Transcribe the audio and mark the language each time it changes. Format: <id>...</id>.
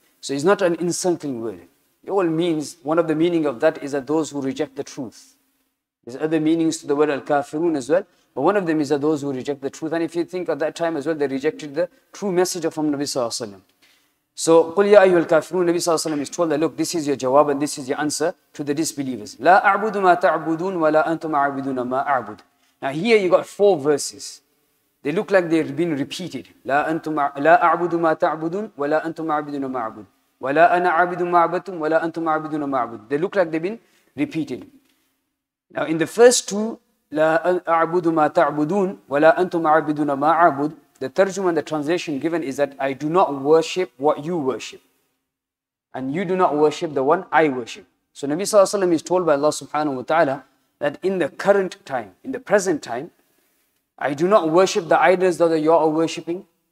<en>So it's not an insulting word. It all means, one of the meaning of that is that those who reject the truth. There's other meanings to the word al-kafirun as well. But one of them is that those who reject the truth. And if you think at that time as well, they rejected the true messenger from Nabi Sallallahu Alaihi Wasallam. So,</en> <ar>قُلْ يَا أَيُّهَا الْكَافِرُونَ</ar> <en>Nabi Sallallahu Alaihi Wasallam is told that, look, this is your jawab and this is your answer to the disbelievers.</en> <ar>لَا أَعْبُدُ مَا تَعْبُدُونَ وَلَا أَنْتُمْ عَبِدُونَ مَا أَعْبُدُ</ar> <en>Now here you got four verses. They look like they've been repeated.</en> <ar>لَا أَعْبُدُ مَا تَعْبُدُونَ وَلَا أَنْتُمْ عَبِدُونَ مَا أَعْبُدُ وَلَا أَنَا عَبِدُ مَا عَبَدْتُمْ وَلَا أَنْتُمْ عَبِدُونَ مَا أَعْبُدُ</ar> <en>They look like they've been repeated. Now in the first two,</en> <ar>لَا أَعْبُدُ مَا تَعْبُدُونَ وَلَا أَنْتُمْ عَبِدُونَ مَا أَعْبُدُ</ar> <en>The tarjuma and the translation given is that I do not worship what you worship. And you do not worship the one I worship. So Nabi Sallallahu Alaihi Wasallam is told by Allah subhanahu wa ta'ala that in the current time, in the present time, I do not worship the idols that you are worshipping.</en>